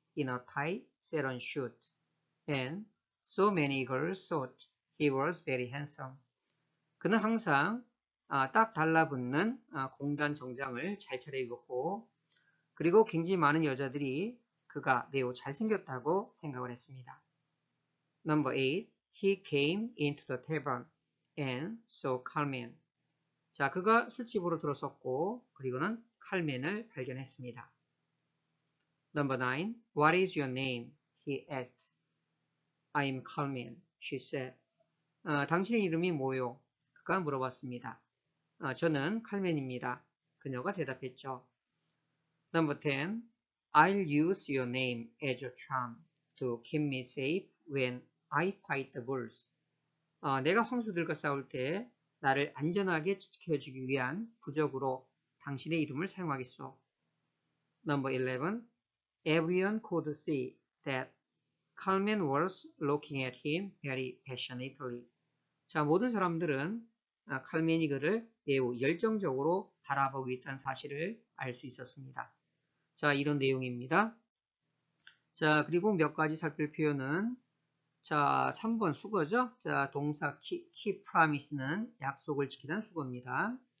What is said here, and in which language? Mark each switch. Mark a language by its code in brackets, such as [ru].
[en] In a tight, satin suit, and so many girls thought he was very handsome. [ko] 그는 항상 딱 달라붙는 공단 정장을 잘 차려입었고, 그리고 굉장히 많은 여자들이 그가 매우 잘생겼다고 생각을 했습니다. [en] Number 8. He came into the tavern and saw Carmen. [ko] 자, 그가 술집으로 들어섰고, 그리고는 칼맨을 발견했습니다. [en] Number 9. What is your name? He asked. I am Carmen, she said. [ko] 당신의 이름이 뭐요? 그가 물어봤습니다. 저는 칼맨입니다. 그녀가 대답했죠. [en] Number 10. I'll use your name as a charm to keep me safe when I fight the bulls. [ko] 내가 황소들과 싸울 때 나를 안전하게 지켜주기 위한 부적으로 당신의 이름을 사용하겠소. [en] Number 11. Everyone could see that Carmen was looking at him very passionately. [ko] 자, 모든 사람들은 칼맨이 그를 매우 열정적으로 바라보고 있다는 사실을 알수 있었습니다. 자, 이런 내용입니다. 자, 그리고 몇 가지 살필 표현은 자, 3번 수거죠. 자, 동사 keep promise는 약속을 지키다는 수거입니다.